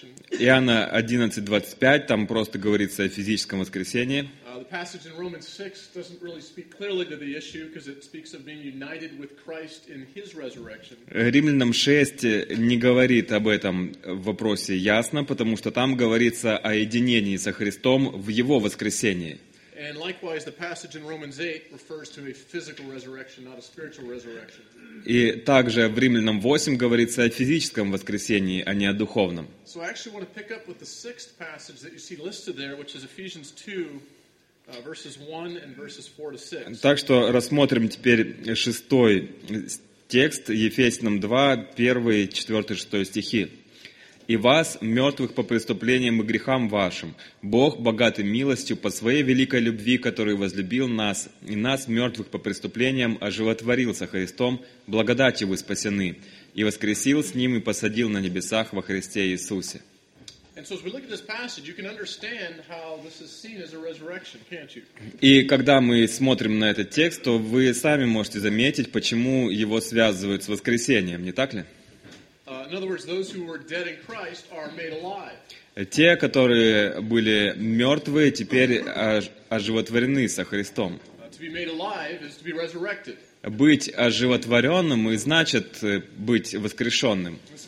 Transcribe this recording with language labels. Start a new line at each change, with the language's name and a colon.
Russian: Иоанна 11:25, там просто говорится о физическом воскресении.
English: The passage in Romans 6 doesn't really speak clearly to the issue because it speaks of being united with Christ in His resurrection.
Russian: Римлянам 6 не говорит об этом вопросе ясно, потому что там говорится о единении со Христом в Его воскресении.
English: And likewise, the passage in Romans 8 refers to a physical resurrection, not a spiritual resurrection.
Russian: И также в Римлянам 8 говорится о физическом воскресении, а не о духовном.
English: So I actually want to pick up with the sixth passage that you see listed there, which is Ephesians 2. Verses 1 and verses 4 to 6.
Russian: Так что рассмотрим теперь шестой текст, Ефесянам 2, 1, 4, 6 стихи. «И вас, мертвых по преступлениям и грехам вашим, Бог, богатый милостью, по своей великой любви, который возлюбил нас, и нас, мертвых по преступлениям, оживотворил со Христом, благодатью вы спасены, и воскресил с Ним и посадил на небесах во Христе Иисусе».
English: And so as we look at this passage, you can understand how this is seen as a resurrection, can't you?
Russian: И когда мы смотрим на этот текст, то вы сами можете заметить, почему его связывают с воскресением, не так ли?
English: In other words, those who were dead in Christ are made alive.
Russian: Те, которые были мертвы, теперь оживотворены со Христом.
English: To be made alive is to be resurrected.
Russian: Быть оживотворенным и значит быть воскрешенным.